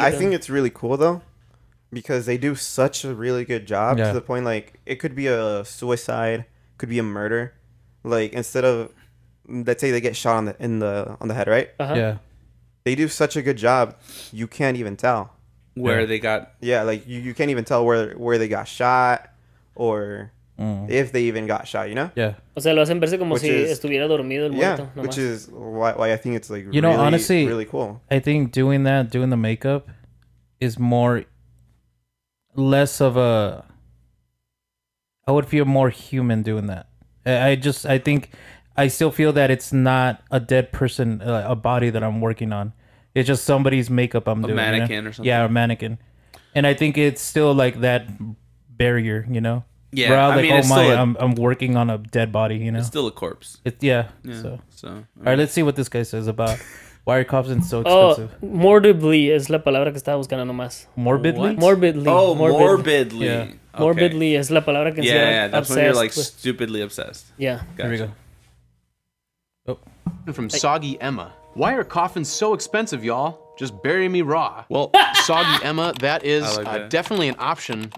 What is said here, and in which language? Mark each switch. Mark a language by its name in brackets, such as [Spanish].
[English] I think it's really cool, though, because they do such a really good job to the point, like, it could be a suicide, could be a murder. Like, instead of, let's say they get shot on the head, right? Uh-huh. Yeah. They do such a good job, you can't even tell. Where they got... Yeah, like, you can't even tell where they got shot, or if they even got shot, you know? Yeah. [Spanish] O sea, lo hacen verse como si estuviera dormido el muerto. [English] Yeah, which is why I think it's, like, you really, know, honestly, really cool. I think doing that, doing the makeup, is more... Less of a... I would feel more human doing that. I think... I still feel that it's not a dead person, a body that I'm working on. It's just somebody's makeup I'm doing. A mannequin, you know? Or something. Yeah, a mannequin. And I think it's still like that barrier, you know? Yeah. Where I'm like, mean, oh my, I'm working on a dead body, you know? It's still a corpse. Yeah. So. All right, let's see what this guy says about why are coffins so expensive. [Spanish] Morbidly es la palabra que estaba buscando nomás. [English] Morbidly? What? Morbidly. Oh, morbidly. Yeah. Okay. [Spanish] Morbidly es la palabra que [English] yeah, yeah, that's obsessed. When you're like stupidly obsessed. Yeah. Gotcha. Here we go. From Soggy Emma. Why are coffins so expensive, y'all? Just bury me raw. Well, Soggy Emma, that is like that. Definitely an option.